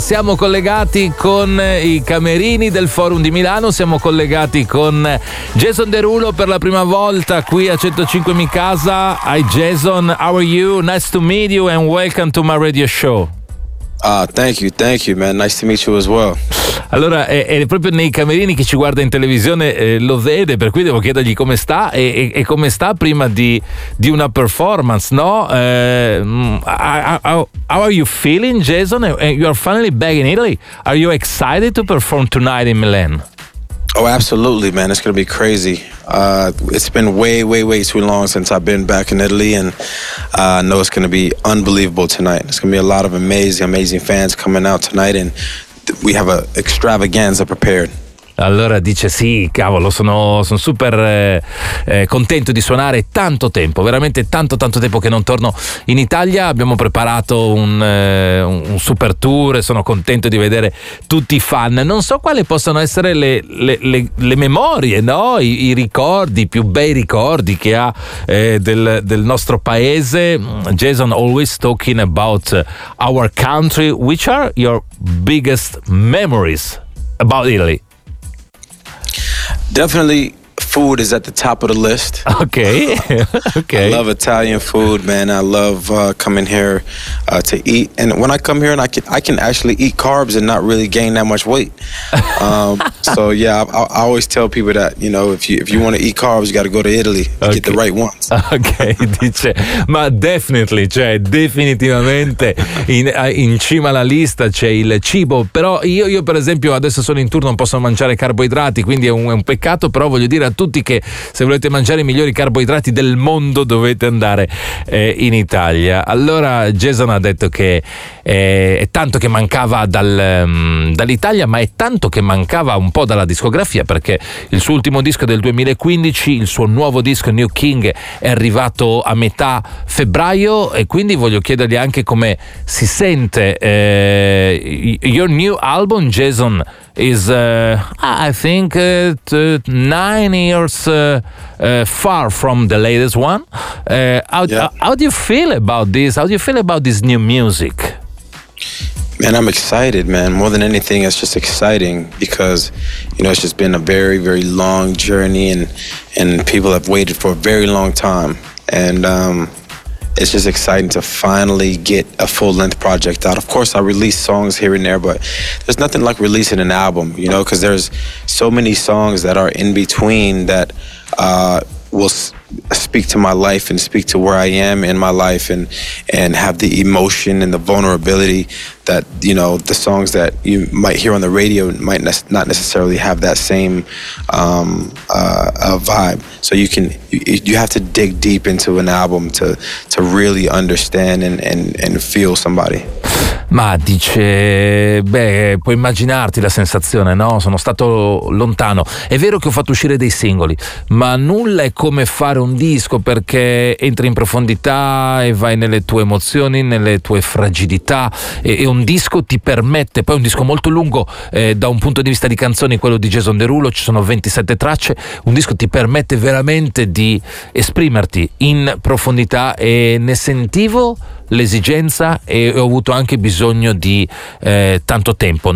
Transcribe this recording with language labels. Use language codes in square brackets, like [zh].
[it] Siamo collegati con i camerini del Forum di Milano. Siamo collegati con Jason Derulo per la prima volta qui a 105 mi casa. [en] Hi Jason, how are you? Nice to meet you and welcome to my radio show. Thank you, man. Nice to meet you as well. [it] Allora, è proprio nei camerini, chi ci guarda in televisione lo vede, per cui devo chiedergli come sta e come sta prima di una performance, no? [en] How are you feeling, Jason? You are finally back in Italy. Are you excited to perform tonight in Milan? Oh, absolutely, man. It's going to be crazy. It's been way, way, way too long since I've been back in Italy, and I know it's going to be unbelievable tonight. It's going to be a lot of amazing, amazing fans coming out tonight, and we have an extravaganza prepared. [it] Allora dice sì, cavolo, sono super contento di suonare tanto tempo, veramente tanto tanto tempo che non torno in Italia. Abbiamo preparato un super tour e sono contento di vedere tutti i fan. Non so quale possano essere le memorie, no? I ricordi, i più bei ricordi che ha del nostro paese. [en] Jason, always talking about our country. Which are your biggest memories about Italy? Definitely food is at the top of the list. Okay. Okay. I love Italian food, man. I love coming here to eat. And when I come here and I can actually eat carbs and not really gain that much weight. So yeah, I always tell people that, you know, if you want to eat carbs, you got to go to Italy to get the right ones. Okay. [it] Dice, ma definitely, cioè definitivamente in cima alla lista c'è il cibo. Però io per esempio adesso sono in tour, non posso mangiare carboidrati, quindi è un peccato, però voglio dire a tutti che se volete mangiare i migliori carboidrati del mondo dovete andare in Italia. Allora Jason ha detto che è tanto che mancava dall'Italia, ma è tanto che mancava un po' dalla discografia, perché il suo ultimo disco è del 2015, il suo nuovo disco New King è arrivato a metà febbraio, e quindi voglio chiedergli anche come si sente. [en] Your new album, Jason, is I think 9 years far from the latest one. How do you feel about this? How do you feel about this new music? Man, I'm excited, man. More than anything, it's just exciting because, you know, it's just been a very, very long journey, and people have waited for a very long time, and it's just exciting to finally get a full-length project out. Of course, I release songs here and there, but there's nothing like releasing an album, you know, because there's so many songs that are in between that will speak to my life and speak to where I am in my life, and have the emotion and the vulnerability that, you know, the songs that you might hear on the radio might not necessarily have that same vibe. So you have to dig deep into an album to really understand and feel somebody. [it] Ma dice, beh, puoi immaginarti la sensazione, no? Sono stato lontano. È vero che ho fatto uscire dei singoli, ma nulla è come fare un disco, perché entri in profondità e vai nelle tue emozioni, nelle tue fragilità, e un disco ti permette, poi è un disco molto lungo da un punto di vista di canzoni, quello di Jason Derulo, ci sono 27 tracce, un disco ti permette veramente di esprimerti in profondità, e ne sentivo l'esigenza e ho avuto anche bisogno di tanto tempo.